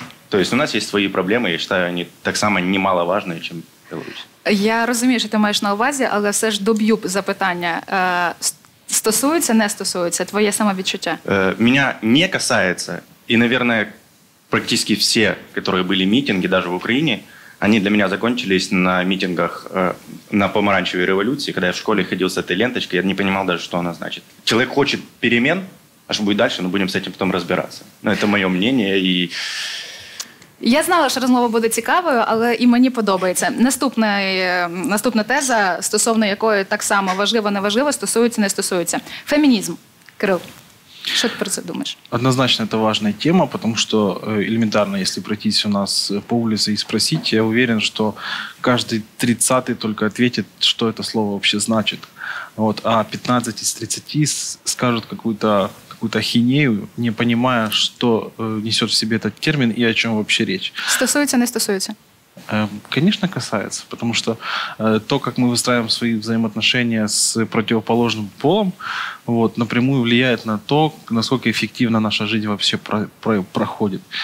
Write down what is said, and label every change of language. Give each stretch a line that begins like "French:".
Ukrainian: Тобто у нас є свої проблеми, я вважаю, вони так само немаловажні, ніж Білорусь. Я розумію, що ти маєш на увазі, але все ж доб'ю запитання. Стосується, не стосується? Твоє самовідчуття? Мене не касається, і, мабуть, практично всі, які були мітинги, навіть в Україні,
Russian: они для меня закончились на митингах на помаранчевой революции, когда я в школе ходил с этой ленточкой, я не понимал даже, что она значит. Человек хочет перемен, а что будет дальше, мы будем с этим потом разбираться. Ну, это мое мнение и...
Ukrainian: Я знала, що розмова буде цікавою, але і мені подобається. Наступна теза, стосовно якої так само важливо-неважливо, стосується, не стосується. Фемінізм. Кирил, що ти про це думаєш? Однозначно, це важна тема, тому що елементарно, якщо пройтись у нас по вулиці і спросити,
Russian: я уверен,
Ukrainian: що кожен 30-й тільки відповість, що це слово взагалі значить. От, а 15 із 30 скажуть
Russian: какую-то ахинею, не понимая, что несет в себе этот термин и о чем вообще речь.
Ukrainian: Стосуется, не стосуется?
Russian: Конечно, касается, потому что то, как мы выстраиваем свои взаимоотношения с противоположным полом, вот, напрямую влияет на то, насколько эффективно наша жизнь вообще проходит.